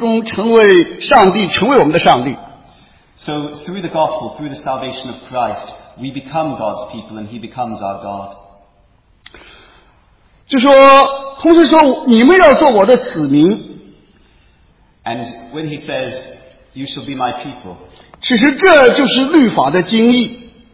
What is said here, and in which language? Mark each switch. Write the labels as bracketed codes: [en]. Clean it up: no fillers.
[zh] 就是我们要在耶稣基督的救赎中成为上帝，成为我们的上帝。 [en] So through the gospel, through the salvation of Christ, we become God's people and he becomes our God. [zh] 就说，同时说，你们要做我的子民。 [en] And when he says, you shall be my people. [zh] 其实这就是律法的精义。